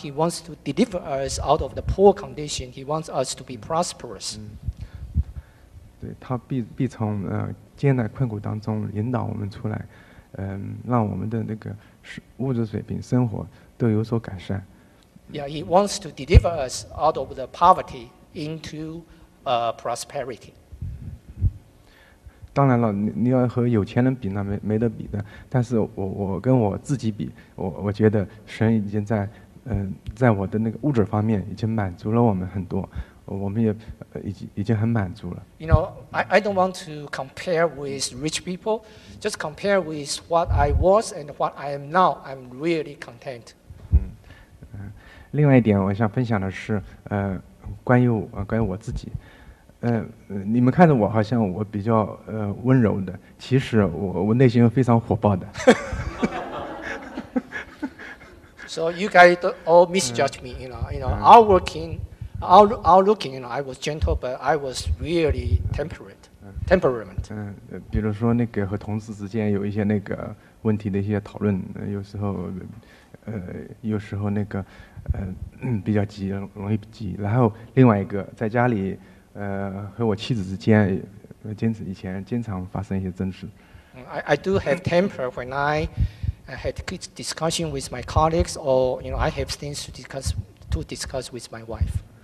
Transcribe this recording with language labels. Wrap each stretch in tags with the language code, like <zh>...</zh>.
<en>He wants to deliver us out of the poor condition. He wants us to be prosperous.</en> <zh>对，他必从艰难困苦当中引导我们出来，让我们的那个物质水平、生活都有所改善。</zh> <en>Yeah, he wants to deliver us out of the poverty into prosperity.</en> <zh>当然了，你要和有钱人比，那没得比的。但是我跟我自己比，我觉得神已经在在我的那个物质方面已经满足了我们很多。我们也已经很满足了。</zh> <en>You know, I don't want to compare with rich people, just compare with what I was and what I am now. I'm really content.</en> <zh>另外一点我想分享的是，关于我自己，你们看着我好像我比较温柔的，其实我内心非常火爆的。</zh> <en>So you guys all misjudge me, you know, outworking. Outlooking, you know, I was gentle, but I was really temperate. temperament.</en> <zh>比如说那个和同事之间有一些那个问题的一些讨论，有时候，有时候那个，比较急，容易急。然后另外一个在家里，和我妻子之间，以前经常发生一些争执。</zh> <en>I do have temper when I had discussion with my colleagues, or you know, I have things to discuss with my wife.</en>